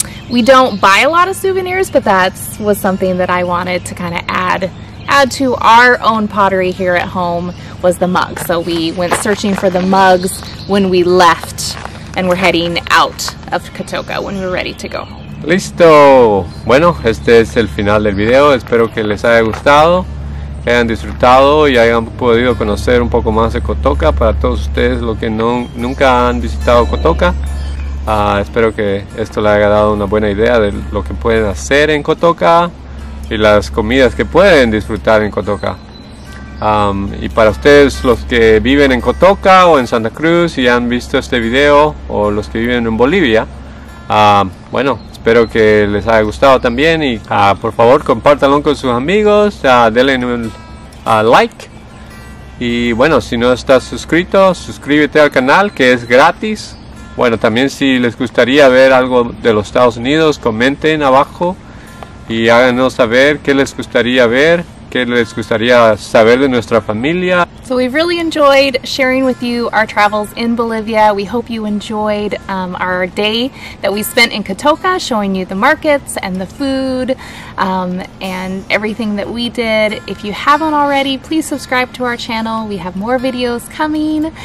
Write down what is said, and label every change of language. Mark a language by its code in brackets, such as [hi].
[en] We don't buy a lot of souvenirs, but that was something that I wanted to kind of add to our own pottery here at home, was the mugs. So we went searching for the mugs when we left and we're heading out of Cotoca when we're ready to go home. [es] Listo. Bueno, este es el final del video. Espero que les haya gustado, que hayan disfrutado y hayan podido conocer un poco más de Cotoca. Para todos ustedes los que nunca han visitado Cotoca, espero que esto les haya dado una buena idea de lo que pueden hacer en Cotoca y las comidas que pueden disfrutar en Cotoca. Y para ustedes los que viven en Cotoca o en Santa Cruz y han visto este video, o los que viven en Bolivia, bueno, espero que les haya gustado también y por favor compártanlo con sus amigos, denle un like. Y bueno, si no estás suscrito, suscríbete al canal, que es gratis. Bueno, también si les gustaría ver algo de los Estados Unidos, comenten abajo y háganos saber qué les gustaría ver, qué les gustaría saber de nuestra familia. [en] So we've really enjoyed sharing with you our travels in Bolivia. We hope you enjoyed our day that we spent in Cotoca, showing you the markets and the food and everything that we did. If you haven't already, please subscribe to our channel. We have more videos coming.